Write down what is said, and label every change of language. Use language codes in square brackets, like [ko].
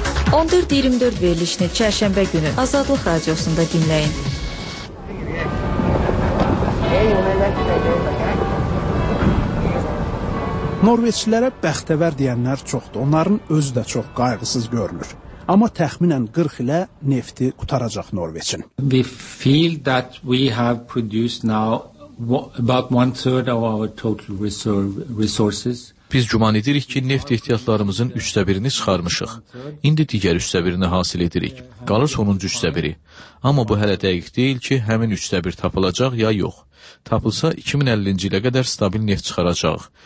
[az] 14-24 verilişini çərşənbə günü Azadlıq Radiosunda dinləyin. Norveçlilərə bəxtəvər deyənlər çoxdur. Onların özü də çox qayğısız görünür. Amma təxminən 40 ilə nefti qutaracaq Norveçin. [en] We feel that we have produced now about one third of our total resources. [az] Biz güman edirik ki, neft ehtiyatlarımızın üçdə birini çıxarmışıq. İndi digər üçdə birini hasil edirik. Qalır sonuncu üçdə biri. Amma bu hələ dəqiq deyil ki, həmin üçdə bir tapılacaq ya yox. Tapılsa 2050-ci ilə qədər stabil neft çıxaracaq.